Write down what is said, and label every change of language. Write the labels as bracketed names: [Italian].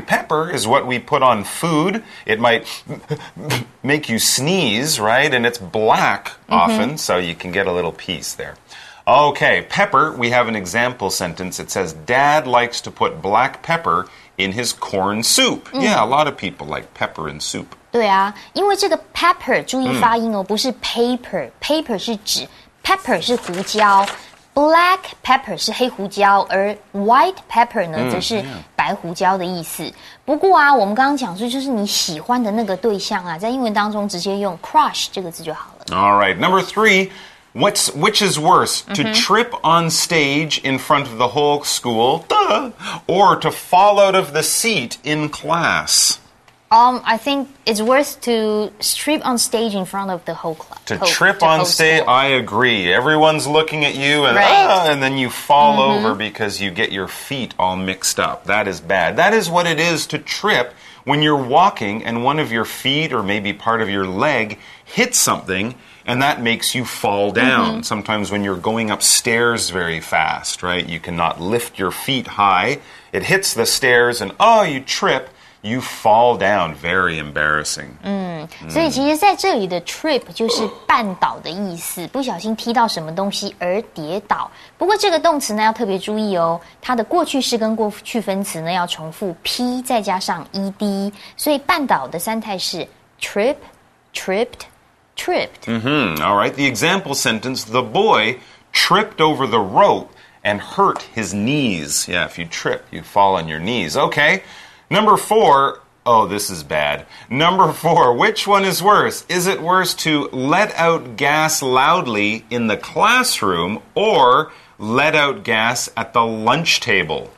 [English] Pepper is what we put on food. It might make you sneeze, right? And it's black often, so you can get a little piece there. Okay, pepper, we have an example sentence. It says, Dad likes to put black pepper in his corn soup. Mm. Yeah, a lot of people like pepper in soup. [Chinese] 对啊，因为这个 pepper, 注意发音哦，不是 paper, paper 是纸 pepper 是胡椒 [English] black pepper [Chinese] 是黑胡椒而 [English] white pepper [Chinese] 呢则是白胡椒的意思。不过啊，我们刚刚讲说就是你喜欢的那个对象啊，在英文当中直接用 crush 这个字就好了。 [English] All right, number three,which is worse, to trip on stage in front of the whole school, or to fall out of the seat in class? I think it's worse to trip on stage in front of the whole class. To trip on stage, I agree. Everyone's looking at you, and then you fall over because you get your feet all mixed up. That is bad. That is what it is to trip when you're walking and one of your feet or maybe part of your leg hits something,And that makes you fall down. Mm-hmm. Sometimes when you're going upstairs very fast, right? You cannot lift your feet high. It hits the stairs and, oh, you trip. You fall down. Very embarrassing. Mm. Mm. [Chinese] 所以其实在这里的 trip 就是绊倒的意思。不小心踢到什么东西而跌倒。不过这个动词呢要特别注意哦。它的过去式跟过去分词呢要重复 P 再加上 ED。所以绊倒的三态是 [English] trip, tripped,Tripped. Mm-hmm. All right. The example sentence, the boy tripped over the rope and hurt his knees. Yeah, if you trip, you fall on your knees. Okay. Number four. Oh, this is bad. Number four. Which one is worse? Is it worse to let out gas loudly in the classroom or let out gas at the lunch table?